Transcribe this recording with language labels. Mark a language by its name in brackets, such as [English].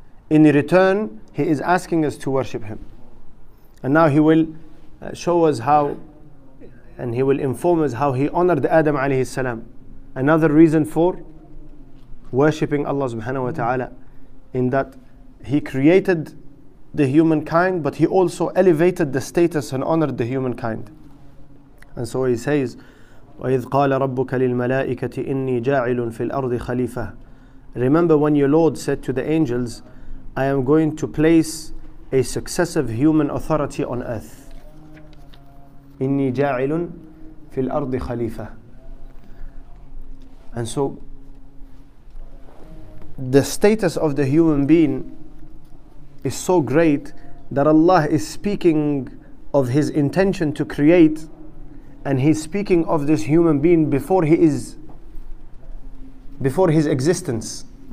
[English] In return, he is asking us to worship him. And now he will show us how, and he will inform us how he honored Adam alayhi salam. Another reason for worshiping Allah subhanahu wa ta'ala, in that he created the humankind, but he also elevated the status and honored the humankind. And so he says, [Arabic] وَإِذْ قَالَ رَبُّكَ لِلْمَلَائِكَةِ إِنِّي جَاعِلٌ فِي الْأَرْضِ خَلِيفَةً. [English] Remember when your Lord said to the angels, I am going to place a successive human authority on earth. [Arabic] إِنِّي جَاعِلٌ فِي الْأَرْضِ خَلِيفَةً. [English] And so, the status of the human being is so great that Allah is speaking of his intention to create, and he's speaking of this human being before his existence.